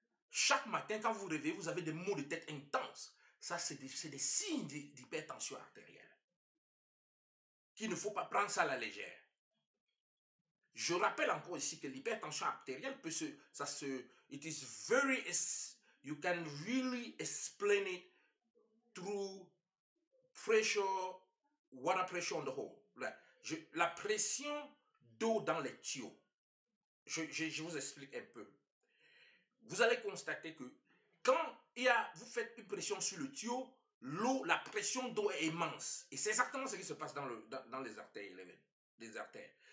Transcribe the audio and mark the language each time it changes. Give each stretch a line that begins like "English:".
French: Chaque matin, quand vous réveillez, vous avez des maux de tête intenses. Ça, c'est des signes d'hypertension artérielle. Qu'il ne faut pas prendre ça à la légère. Je rappelle encore ici que l'hypertension artérielle peut se... Ça se
English: it is very... You can really explain it through pressure, water pressure on the home.
French: La pression d'eau dans les tuyaux. Je vous explique un peu. Vous allez constater que quand vous faites une pression sur le tuyau, l'eau, la pression d'eau est immense. Et c'est exactement ce qui se passe dans les artères, les artères.